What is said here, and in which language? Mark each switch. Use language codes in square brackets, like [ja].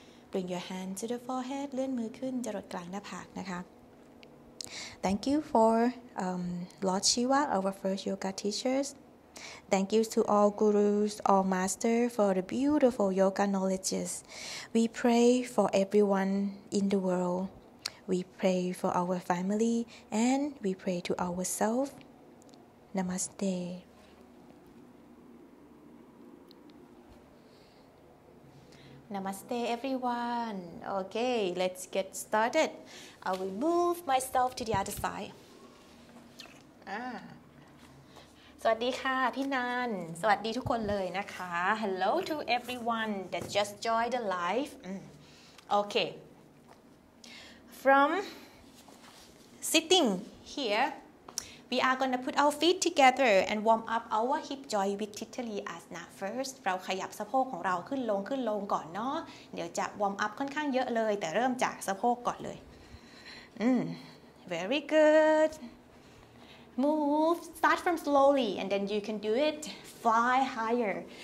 [en] Bring your hand to the forehead. [th] เลื่อนมือขึ้นจรดกลางหน้าผากนะคะ [en] Thank you for Lord Shiva, our first yoga teachers. Thank you to all gurus, all masters for the beautiful yoga knowledges. We pray for everyone in the world. We pray for our family and we pray to ourselves. Namaste. Namaste everyone. Okay, let's get started. I will move myself to the other side. [th] สวัสดีค่ะพี่นันสวัสดีทุกคนเลยนะคะ [en] Hello to everyone that just joined the live Okay From sitting here We are gonna put our feet together and warm up our hip joint with Tittali Asana first [th] เราขยับสะโพกของเราขึ้นลงขึ้นลงก่อนเนาะเดี๋ยวจะวอร์มอัพค่อนข้างเยอะเลยแต่เริ่มจากสะโพกก่อนเลย [en] Very goodMove, start from slowly and then you can do it, fly higher.